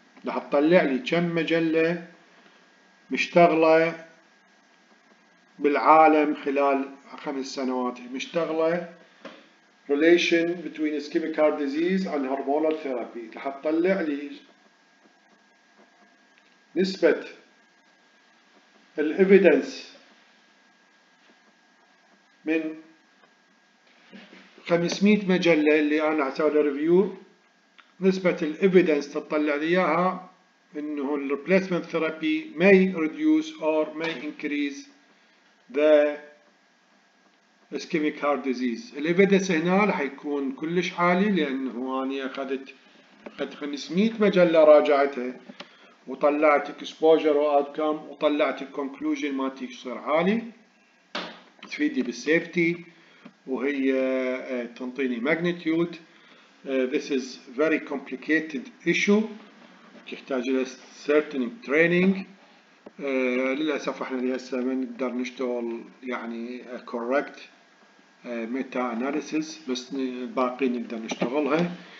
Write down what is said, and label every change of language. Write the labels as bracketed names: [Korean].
[Arabic] راح تطلع لي كم مجلة مشتغلة بالعالم خلال 5 سنوات، مشتغلة [English] relation between ischemic heart disease and hormonal therapy. [Arabic] راح تطلع لي نسبة الـ evidence من 500 مجلة اللي أنا أسوي لها ريفيو. نسبة الـ evidence تطلع إياها إنه الـ replacement therapy [English] may reduce or may increase the ischemic heart disease. [Arabic] الـ evidence هنا راح يكون كلش عالي، لأنه أنا أخذت 500 مجلة راجعتها، وطلعت اكسبوجر واوتكم، وطلعت الكونكلوجن مالتي يصير عالي، تفيدني بالسيفتي، وهي تنطيني ماجنتيود. [English] This is very complicated issue، [Arabic] تحتاج الى [English] certain training. [Arabic] للاسف احنا لهسه ما نقدر نشتغل يعني correct meta analysis، بس باقي نقدر نشتغلها.